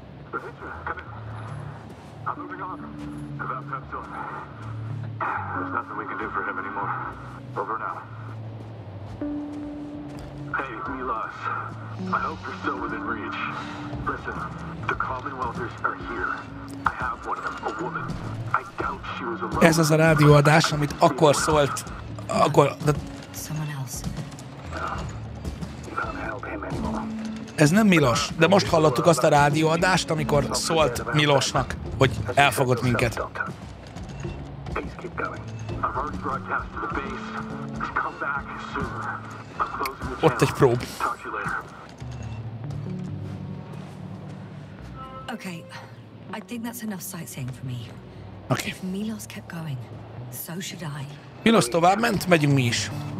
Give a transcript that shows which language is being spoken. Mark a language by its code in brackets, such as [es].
[en] Rahitra, come in. I'm moving on. About Pepsar. There's nothing we can do for him anymore. Over and out. Hey, Milos. I hope you're still within reach. Listen, the Commonwealthers are here. I have one of them, a woman. I doubt she was alone. [hu] Ez az a rádióadás, amit akkor szólt. Akkor... De... [en] Someone else. You can't help him anymore. [hu] Ez nem Milos, de most hallottuk azt a rádióadást, amikor szólt Milosnak, hogy elfogott minket. [en] keep going. I've already broadcast to the base. Just come back soon. I'm closing the channel. Probe. Talk to you later. Okay, I think that's enough sightseeing for me. Okay. If Milos kept going, so should I. [hu] Milos tovább ment, megyünk mi is.